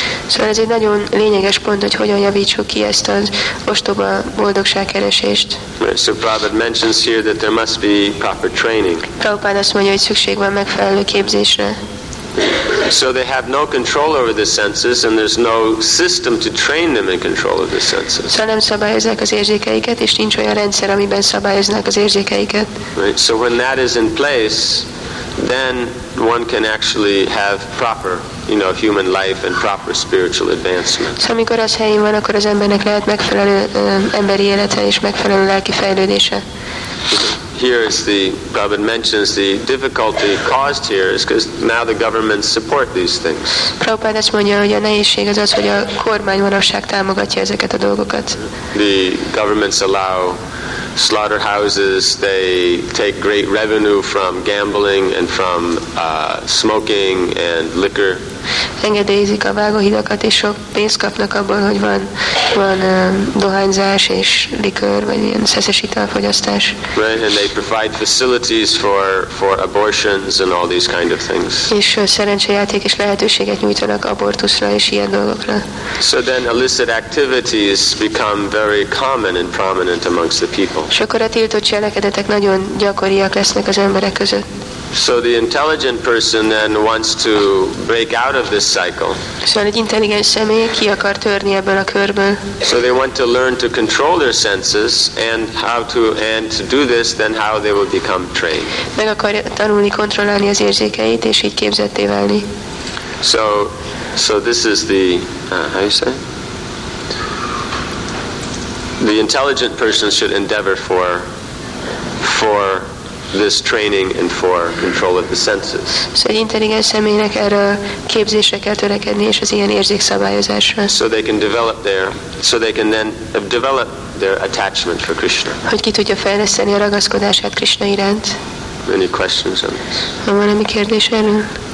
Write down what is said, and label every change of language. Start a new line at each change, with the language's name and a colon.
Hungarian: Szóval ez egy nagyon lényeges pont, hogy hogyan javítsuk ki ezt az ostoba boldogságkeresést.
English: Right, so Prabhupada mentions here that there must be proper training.
Hungarian: Prabhupada azt mondja, hogy szükség van megfelelő képzésre.
English: So they have no control over the senses, and there's no system to train them in control of the senses.
Hungarian: Szóval nem szabályoznak az érzékeiket, és nincs olyan rendszer, amiben szabályoznak az érzékeiket.
English: Right, so when that is in place, then one can actually have proper, you know, human life and proper spiritual advancement.
Hungarian: Szóval amikor az helyén van, akkor az embernek lehet megfelelő emberi élete és megfelelő lelki fejlődése.
English: Here is the Prabhupada mentions the difficulty caused here is because now the governments support these things.
Hungarian: Prabhupada azt mondja, hogy a nehézség az az, hogy a kormány manapság támogatja ezeket a dolgokat.
English: The governments allow slaughterhouses, they take great revenue from gambling and from smoking and liquor.
Hungarian: Engedélyezik a vágóhidakat, és sok pénzt kapnak abból, hogy van dohányzás és likőr, vagy ilyen szeszes italfogyasztás.
English: Right, and they provide facilities for abortions and all these kind of things.
Hungarian: És szerencsejáték és lehetőséget nyújtanak abortuszra és ilyen dolgokra.
English: So then illicit activities become very common and prominent amongst the people.
Hungarian: És akkor a tiltott cselekedetek nagyon gyakoriak lesznek az emberek között.
English: So the intelligent person then wants to break out of this cycle.
Hungarian: Szóval egy intelligens személy ki akar törni ebből a körből.
English: So they want to learn to control their senses and how to do this, then how they will become trained.
Hungarian: Meg akar tanulni kontrollálni az érzékeit és így képzetté válni.
English: So this is the how you say? The intelligent person should endeavor for this training and for control of the senses.
Hungarian: So egy intelligens személynek erre képzésre kell törekedni, és az ilyen érzékszabályozásra.
English: So they can develop their, so they can then develop their attachment for Krishna.
Hungarian: Hogy ki tudja fejleszteni a ragaszkodását Krishna iránt.
English: Any questions on this?
Hungarian: Van valami kérdés erről?